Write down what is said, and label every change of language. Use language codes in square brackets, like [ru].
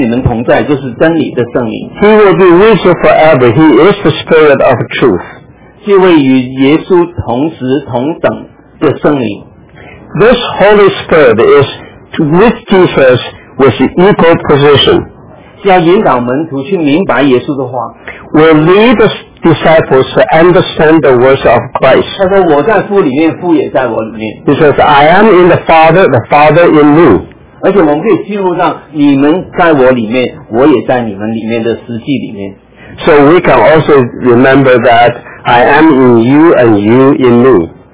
[zh] 将他永远与你们同在，就是真理的圣灵。 [en] He will be with you forever. He is the Spirit of Truth. [zh] 这位与耶稣同时同等的圣灵。 [en] This Holy Spirit is with Jesus with equal position. [zh] 要引导门徒去明白耶稣的话。 [en] Will lead the disciples to understand the words of Christ. [zh] 他说我在父里面，父也在我里面。 [en] He says, I am in the Father, the Father in me. [zh] 而且我们可以记录上，你们在我里面，我也在你们里面的实际里面。 [en] So we can also remember that I am in you and you in me.